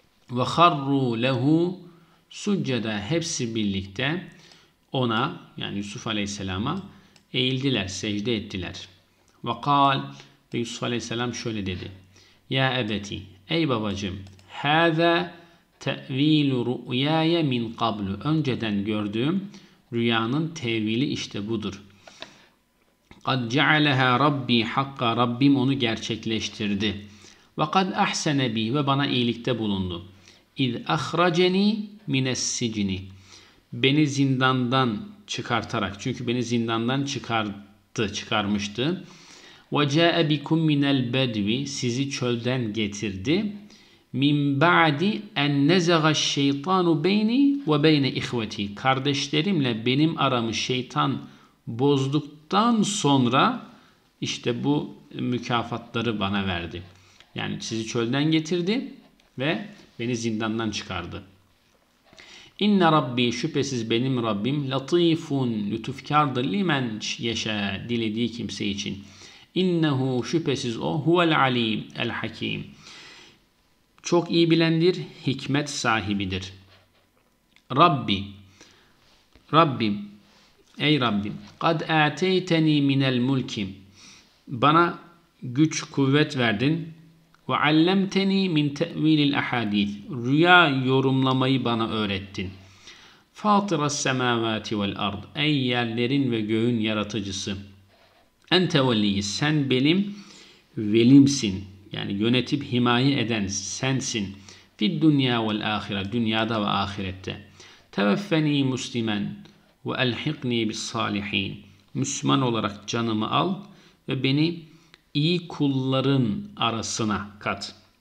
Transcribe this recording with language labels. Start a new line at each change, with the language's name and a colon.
Arabic: وَخَرُّوا لَهُ سُجَّدًا
Turkish: Hepsi birlikte ona, yani Yusuf Aleyhisselam'a eğildiler, secde ettiler. وَقَالْ Ve Yusuf Aleyhisselam şöyle dedi.
Arabic: يَا أَبَتِي
Turkish: Ey babacığım,
Arabic: هَذَا تأويل رؤياي من قبل
Turkish: önceden gördüğüm rüyanın tevili işte budur.
Arabic: قد جعلها ربي حقا
Turkish: Rabbim onu gerçekleştirdi.
Arabic: وقد أحسن بي
Turkish: ve bana iyilikte bulundu.
Arabic: إذ أخرجني من السجن
Turkish: beni zindandan çıkartarak çünkü beni zindandan çıkardı çıkarmıştı.
Arabic: وجاء بكم من البدو
Turkish: sizi çölden getirdi.
Arabic: Min ba'di en nezaga şeytanu beyni ve beyne ihveti.
Turkish: Kardeşlerimle benim aramı şeytan bozduktan sonra işte bu mükafatları bana verdi. Yani sizi çölden getirdi ve beni zindandan çıkardı.
Arabic: İnne Rabbi
Turkish: şüphesiz benim Rabbim latifun lütufkardır
Arabic: limen yeşe
Turkish: dilediği kimse için.
Arabic: İnnehu
Turkish: şüphesiz o
Arabic: huvel alim el hakim.
Turkish: Çok iyi bilendir, hikmet sahibidir. Rabbi, Rabbim, ey Rabbim,
Arabic: قَدْ اَعْتَيْتَنِي مِنَ الْمُلْكِ
Turkish: Bana güç, kuvvet verdin.
Arabic: وَعَلَّمْتَنِي مِنْ تَأْوِيلِ الْاَحَادِيثِ
Turkish: Rüya yorumlamayı bana öğrettin.
Arabic: فَاطِرَ السَّمَاوَاتِ وَالْاَرْضِ
Turkish: Ey yerlerin ve göğün yaratıcısı.
Arabic: اَنْتَ وَلِّيِّ
Turkish: Sen benim velimsin. Yani yönetip himaye eden sensin.
Arabic: fid dunya vel ahire,
Turkish: dünyada ve ahirette.
Arabic: Teveffeni muslimen ve elhikni bis salihin,
Turkish: Müslüman olarak canımı al ve beni iyi kulların arasına kat.